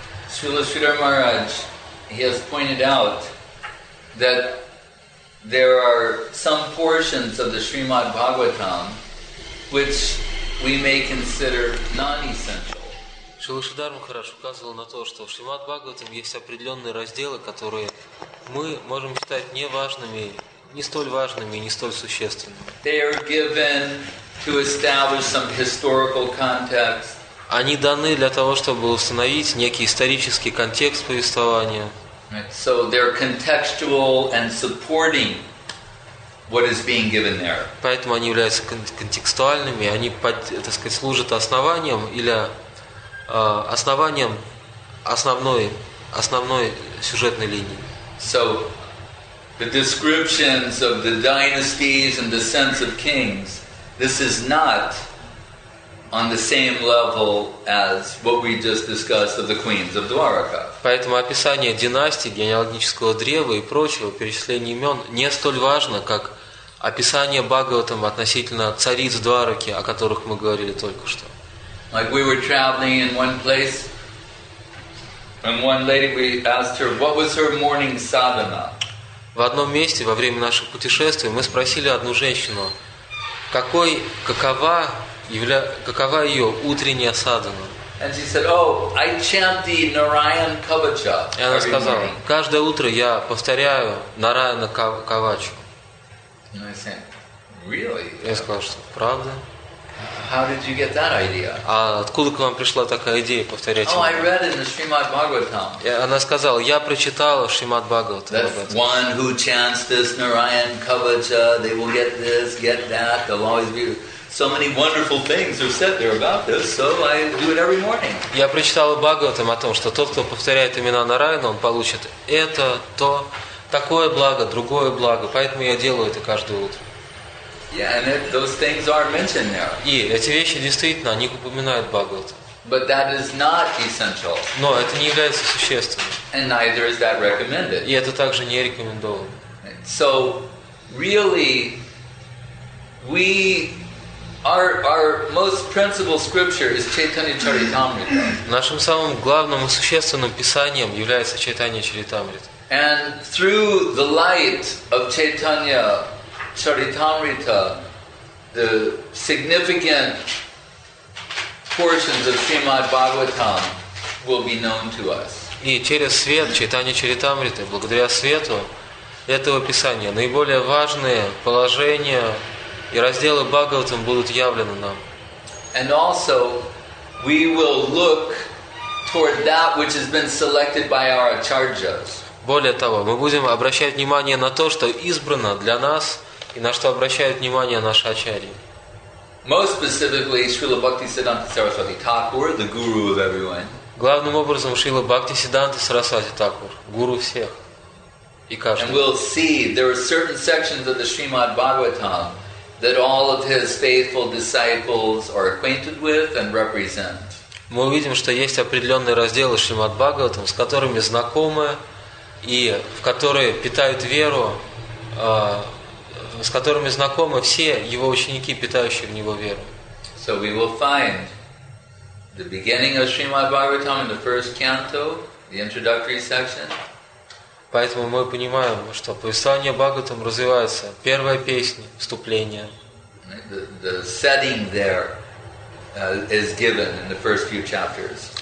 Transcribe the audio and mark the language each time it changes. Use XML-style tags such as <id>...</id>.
<en>Srila Sridhar Maharaj, he has pointed out that there are some portions of the Srimad Bhagavatam which we may consider non-essential.</en> <ru>Шрила Шридхарма Махарадж указывал на то, что в Шримад Бхагаватам есть определенные разделы, которые мы можем считать неважными, не столь важными и не столь существенными.</ru> <en>They are given to establish some historical context.</en> <ru>Они даны для того, чтобы установить некий исторический контекст повествования.</ru> <en>So they're contextual and supporting what is being given there.</en> <ru>Поэтому они являются контекстуальными, они, так сказать, служат основанием или основанием основной сюжетной линии.</ru> <en>So the descriptions of the dynasties and the sense of kings, this is not on the same level as what we just discussed of the queens of Dwaraka.</en> <ru>Поэтому описание династий, генеалогического древа и прочего, перечисление имен, не столь важно, как описание Бхагаватам относительно цариц Двараки, о которых мы говорили только что.</ru> <en>Like we were traveling in one place, and one lady, we asked her, what was her morning sadhana?</en> <ru>В одном месте во время нашего путешествия мы спросили одну женщину, какова ее утренняя садхана.</ru> <en>And she said, "Oh, I chant the Narayan Kavacha."</en> <ru>И она сказала, каждое утро я повторяю Нараяна Кавачу.</ru> <en>And I said, "Really?"</en> <ru>Я сказал, что правда.</ru> <en>How did you get that idea?</en> <ru>А откуда к вам пришла такая идея повторять?</ru> <en>Oh, I read in the Srimad Bhagavatam.</en> <ru>И она сказала, я прочитала Шримад Бхагаватам.</ru> <en>That one who chants this Narayan Kavacha, they will get this, get that. They'll always be. So many wonderful things are said there about this, so I do it every morning.</en> <ru>Я прочитала Бхагаватам о том, что тот, кто повторяет имена Нараяна, он получит это, то, такое благо, другое благо. Поэтому я делаю это каждое утро.</ru> <en>Yeah, and those things are mentioned there.</en> <ru>И эти вещи действительно, они упоминают Бхагаватам.</ru> <en>But that is not essential.</en> <ru>Но это не является существенным.</ru> <en>And neither is that recommended.</en> <ru>И это также не рекомендовано.</ru> <en>So, really, we... Our most principal scripture is Chaitanya Charitamrita.</en> <ru>Нашим самым главным и существенным писанием является Чайтанья Чаритамрита.</ru> <en>And through the light of Chaitanya Charitamrita, the significant portions of Srimad Bhagavatam will be known to us.</en> <ru>И через свет Чайтанья Чаритамриты, благодаря свету этого писания, наиболее важные положения и разделы Бхагаватам будут явлены нам.</ru> <en>And also, we will look toward that which has been selected by our acharyas.</en> <ru>Более того, мы будем обращать внимание на то, что избрано для нас, и на что обращают внимание наши ачарьи.</ru> <en>Most specifically, Srila Bhaktisiddhanta Saraswati Thakur, the guru of everyone.</en> <ru>Главным образом, Srila Bhaktisiddhanta Saraswati Thakur, гуру всех и каждого.</ru> <en>And we'll see, there are certain sections of the Srimad Bhagavatam that all of his faithful disciples are acquainted with and represent.</en> <ru>Мы увидим, что есть определенные разделы Шримад Бхагаватам, с которыми знакомы и в которые питают веру, с которыми знакомы все его ученики, питающие в него веру.</ru> <en>So we will find the beginning of Srimad Bhagavatam in the first canto, the introductory section.</en> <ru>Поэтому мы понимаем, что повествование Бхагаватам развивается. Первая песня, вступление.</ru> <en>The setting there is given in the first few chapters.</en>